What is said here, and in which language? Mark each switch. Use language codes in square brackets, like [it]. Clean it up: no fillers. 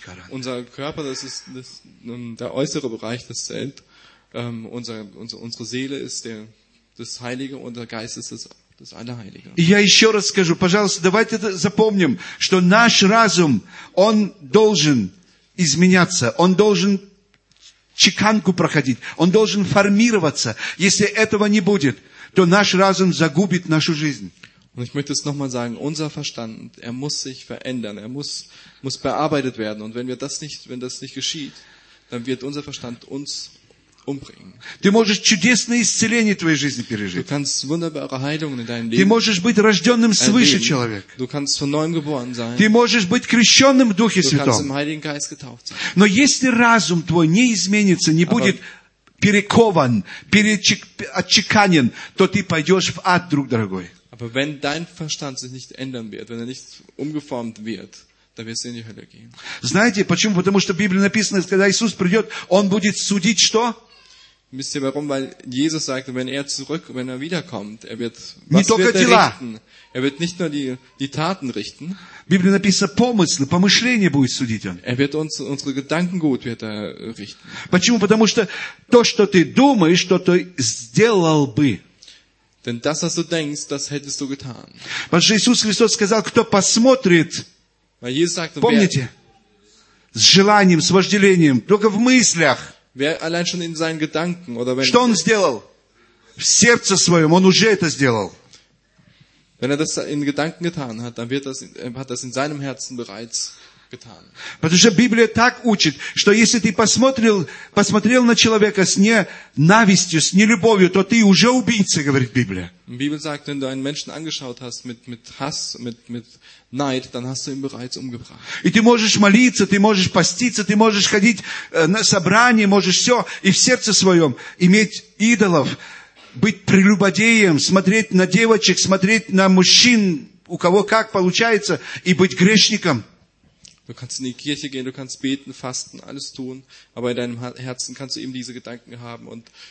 [de] Unser Körper, das ist der äußere Bereich, das zählt. Unsere Seele ist das Heilige und der Geist ist das Allerheilige. [ru] И я еще раз скажу, пожалуйста, давайте запомним, что наш разум, он должен изменяться, он должен чеканку проходить, он должен формироваться. Если этого не будет, то наш разум загубит нашу жизнь. [de] Und ich möchte es nochmal sagen, unser Verstand, er muss sich verändern, er muss bearbeitet werden. Und wenn das nicht geschieht, dann wird unser Verstand uns umbringen. [ru] Ты можешь чудесное исцеление твоей жизни пережить. [de] Du kannst wunderbare Heilungen in deinem Leben erleben. [ru] Ты можешь быть рожденным свыше человек. [de] Du kannst von neuem geboren sein. [ru] Ты можешь быть крещенным в Духе Святом. [de] Du kannst im Heiligen Geist getauft sein. [ru] Но если разум твой не изменится, не будет перекован, отчеканен, то ты пойдешь в ад, друг дорогой. [de] Aber wenn dein Verstand sich nicht ändern wird, wenn er nicht umgeformt wird, dann wirst du in die Hölle gehen. [ru] Знаете, почему? Потому что в Библии написано, когда Иисус придет, он будет судить что? [de] Wisst ihr warum? Weil Jesus sagt, wenn er wiederkommt, er wird, was wird er richten? Er wird nicht nur die Taten richten. [ru] В Библии написано, помыслы, помышления будет судить он. [de] Er wird unsere Gedanken gut wird er richten. [ru] Почему? Потому что то, что ты думаешь, что ты сделал бы. [de] Denn das, was du denkst, das hättest du getan. [ru] Потому что Иисус Христос сказал, кто посмотрит, [de] sagte, [ru] помните, с желанием, с вожделением, только в мыслях, [de] wer allein schon in seinen Gedanken, oder wenn, [ru] что он сделал? В сердце своем он уже это сделал. [de] Wenn das in Gedanken getan hat, dann hat das in seinem Herzen bereits getan. [ru] Потому что Библия так учит, что если ты посмотрел на человека с ненавистью, с нелюбовью, то ты уже убийца, говорит Библия. [de] Библия sagt, wenn du einen Menschen angeschaut hast mit Hass, mit Neid, dann hast du ihn bereits umgebracht. [ru] И ты можешь молиться, ты можешь поститься, ты можешь ходить на собрание, можешь все, и в сердце своем иметь идолов, быть прелюбодеем, смотреть на девочек, смотреть на мужчин, у кого как получается, и быть грешником. [de] Du kannst in die Kirche gehen, du kannst beten, fasten, alles tun, aber in deinem Herzen kannst du eben diese Gedanken haben und